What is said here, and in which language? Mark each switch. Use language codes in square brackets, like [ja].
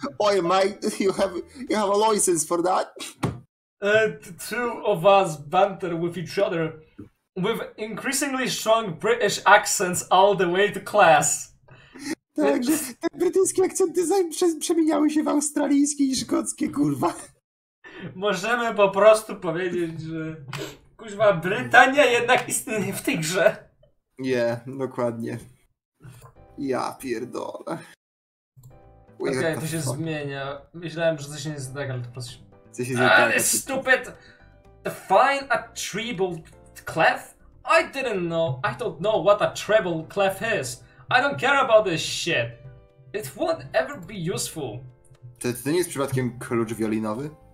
[en] Oi, mate, you have a license for that. The two of us banter with each other. With increasingly strong British accents all the way to class. [pl] Tak, te brytyjskie akcenty przemieniały się w australijskie i szkockie, kurwa. Możemy po prostu powiedzieć, że... Kuźma, Brytania jednak istnieje w tej grze. Nie, dokładnie. Ja pierdolę. Okej, to się zmienia. Myślałem, że coś nie jest tak, ale to po prostu... [en] stupid! The fine a treble... Clef? I don't know what a treble clef is. I don't care about this shit. It won't ever be useful. [pl] To nie jest przypadkiem klucz wiolinowy?